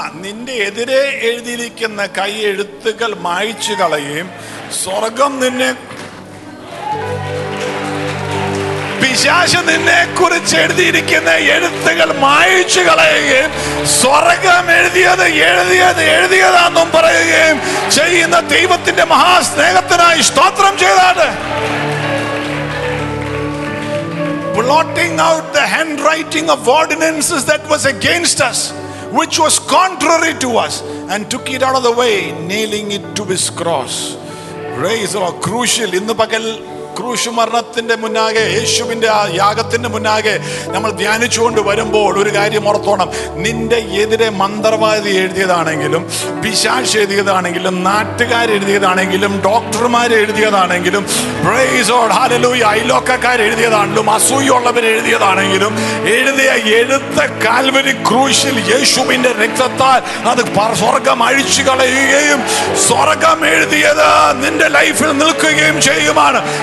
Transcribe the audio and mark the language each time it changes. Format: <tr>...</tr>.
<ml>നിന്റെ എതിരെ എഴുതിയിരിക്കുന്ന കയ്യെഴുത്തുകൾ മായ്ച്ചു കളയുകയും സ്വർഗം നിന്നെ, പിശാച് നിന്നെ കുറിച്ച് എഴുതിയിരിക്കുന്ന എഴുത്തുകൾ മായ്ച്ചു കളയുകയും സ്വർഗം എഴുതിയത് എഴുതിയത് എഴുതിയതാണെന്നും പറയുകയും ചെയ്യുന്ന ദൈവത്തിന്റെ മഹാസ്നേഹത്തിനായി സ്തോത്രം ചെയ്താണ്.</ml> <en>Blotting out the handwriting of ordinances that was against us, which was contrary to us, and took it out of the way, nailing it to his cross. Praise the Lord. Crucial in the pagal.</en> <ml>ക്രൂശ് മരണത്തിന്റെ മുന്നാകെ, യേശുവിന്റെ ആ യാഗത്തിന്റെ മുന്നാകെ നമ്മൾ ധ്യാനിച്ചുകൊണ്ട് വരുമ്പോൾ ഒരു കാര്യം ഓർത്തോണം, നിന്റെ എതിരെ മന്ത്രവാദി എഴുതിയതാണെങ്കിലും, പിശാച് എഴുതിയതാണെങ്കിലും, നാട്ടുകാർ എഴുതിയതാണെങ്കിലും, ഡോക്ടർമാർ എഴുതിയതാണെങ്കിലും,</ml> <en>praise God</en> <ml>ഹല്ലേലൂയ, അയലോക്കക്കാർ എഴുതിയതാണെങ്കിലും, അസൂയുള്ളവർ എഴുതിയതാണെങ്കിലും, എഴുതിയ എഴുത്ത് കാൽവരി ക്രൂശിൽ യേശുവിന്റെ രക്തത്താൽ അത് സ്വർഗം അഴിച്ചു കളയുകയും സ്വർഗം എഴുതിയത് നിന്റെ ലൈഫിൽ നിൽക്കുകയും ചെയ്യുമാണ്.</ml>